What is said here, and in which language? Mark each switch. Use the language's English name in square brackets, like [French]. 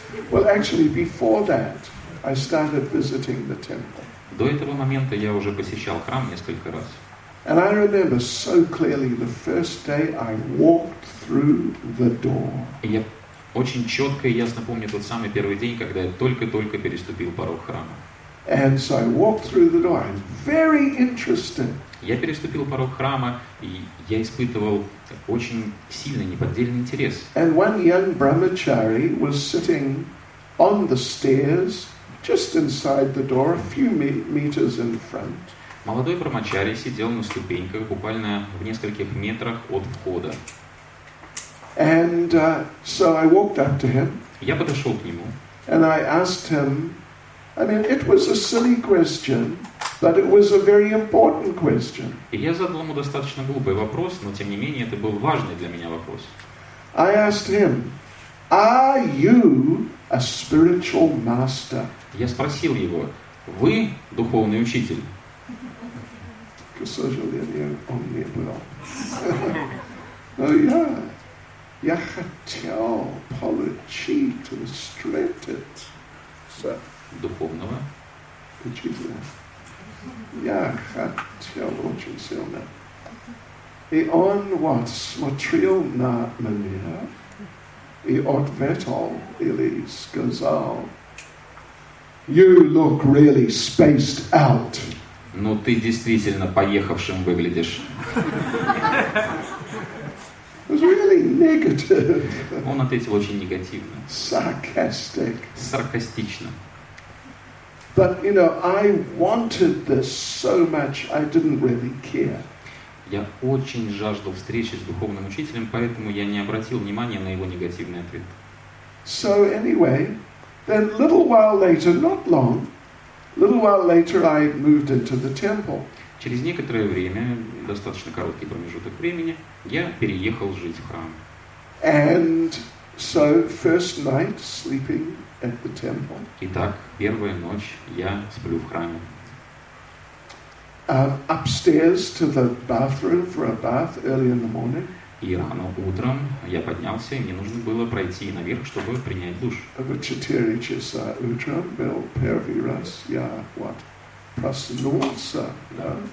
[English] Well, actually, before that, I started visiting the temple. [Russian] До этого момента я уже посещал храм несколько раз. [English] And I remember so clearly the first day I walked through the door. [Russian] Я очень четко и ясно помню тот самый первый день, когда я только-только переступил порог храма. [English] And so I walked through the door. I'm very interested. [Russian] Я переступил порог храма, и я испытывал очень сильный, неподдельный интерес. [English] And one young brahmachari was sitting on the stairs, just inside the door, a few meters in front. [Russian] Молодой брахмачари сидел на ступеньках, буквально в нескольких метрах от входа. [English] And so I walked up to him. [Russian] Я подошел к нему. [English] And I asked him, I mean, it was a silly question, but it was a very important question. [Russian] И я задал ему достаточно глупый вопрос, но тем не менее это был важный для меня вопрос. [English] I asked him, are you a spiritual master? [Russian] Я спросил его, вы духовный учитель? К сожалению, он не был. Но я хотел получить, встретить духовного учителя. Я хотел очень сильно. И он вот смотрел на меня и ответил или сказал, [English] you look really spaced out. [Russian] Ну, ты действительно поехавшим выглядишь. [English] It was really negative. [Russian] Он ответил очень негативно. [English] Sarcastic. [Russian] Саркастично. [English] But, you know, I wanted this so much, I didn't really care. [Russian] Я очень жаждал встречи с духовным учителем, поэтому я не обратил внимания на его негативный ответ. [English] So, anyway... Then little while later, I moved into the temple. [Russian] Через некоторое время, достаточно короткий промежуток времени, я переехал жить в храм. [English] And so first night sleeping at the temple. [Russian] Итак, первая ночь я сплю в храме. [English] Upstairs to the bathroom for a bath early in the morning. [Russian] И рано утром я поднялся, и мне нужно было пройти наверх, чтобы принять душ. В 4 часа утром был первый раз, я вот проснулся, да?